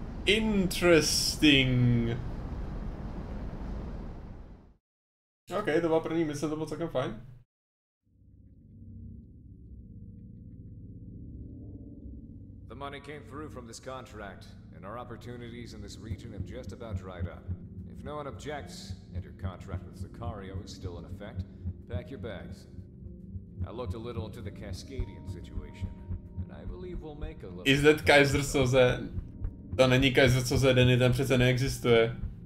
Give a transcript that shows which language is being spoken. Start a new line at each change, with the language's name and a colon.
English: Interesting.
Czech: OK, to byla první mise, to bylo celkem fajn.
English: The money came through from this contract, and our opportunities in this region have just about dried up. If no one objects, and your contract with Zacario is still in effect, pack your bags. I looked a little into the Cascadian situation, and I believe we'll make a little... Is that Kaiser Sozen?
Czech: To není Kaiser Soze, Denny, ten přece neexistuje.